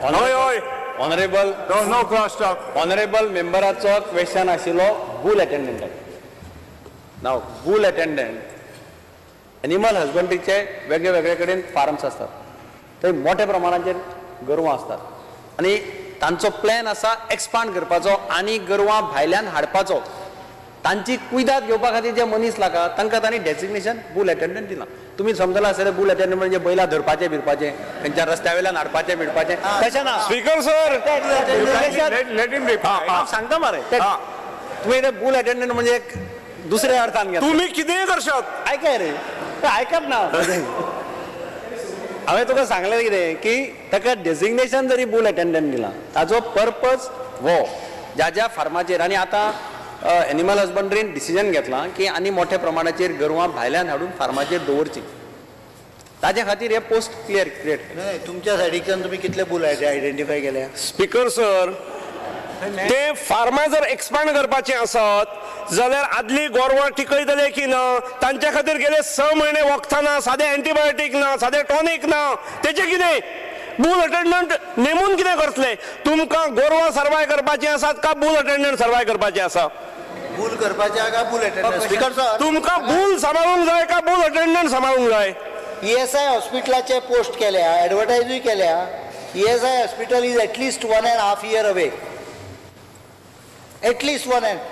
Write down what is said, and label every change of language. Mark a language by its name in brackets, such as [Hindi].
[English] honourable [Goan Konkani] honourable मेंबराचो question आशिल्लो बूल अटेंडंटाक. नाव बूल attendant animal हजबंड्रीचे वेगळे वेगळे कडेन फार्म्स आसतात, थंय मोठ्या प्रमाणाचे गोरवां आसतात. आनी तांचो प्लॅन आसा एक्सपांड करपाचो आनी गोरवां भायल्यान हाडपाचो. तांची कुयदाद घेवपा खातीर जे मनीस लागता, तांकां तांणी डेजिग्नेशन बूल अटेंडंट दिलां. [Marathi] तुम्ही समजलं असेल [Goan Konkani] बूल अटेंडंट म्हणजे बैलां धरपाचे बिरपाचे, त्यांच्या रस्त्या वेल्यान हाडपाचे बिडपाचे, तशें ना. [English] speaker sir, [Goan Konkani] सांगता मरे, तुम्ही बूल अटेंडंट म्हणजे एक दुसऱ्या अर्थान घ्या. तुम्ही कितेंय करशात? ऐकाय रे, ऐकप ना. हांवें तुका सांगलें कितें की ताका डेजिग्नेशन जरी बूल अटेंडंट दिला, ताचो पर्पज वो ज्या ज्या फार्माचेर. आनी आतां एनिमल हजबंड्रीन डिसिजन घेतला की आनी मोठ्या प्रमाणाचेर गोरवां भायल्यान हाडून फार्माचेर दवरची, ताचे खातीर हे पोस्ट क्लियर क्रिएट. तुमच्या सायडीच्यान तुम्ही कितले बूल आयडेंटिफाय केले? स्पीकर सर, ते फार्मा जर एक्सपांड करपाचे असत जाल्यार आदली गोरवां टिकयतले की ना? तांच्या खातीर गेले 6 महिने वखदां ना, सादे एंटीबायोटीक ना, सादे टॉनिक ना, तेचे कितें बूल अटेंडंट नेमून कितें करतले? तुमकां गोरवां सर्वाय करपाची आसात का बूल अटेंडंट सर्वाय करपाचे आसा? बूल करपाचे का बूल अटेंडंट? स्पीकर सर, तुमकां बूल सांबाळूंक जाय का बूल अटेंडंट सांबाळूंक जाय? ईएसआय हॉस्पिटलाचे पोस्ट केल्या, ऍडवर्टायजूय केल्या. [English] ESI hospital is at least 1.5 year away, at least 1 year.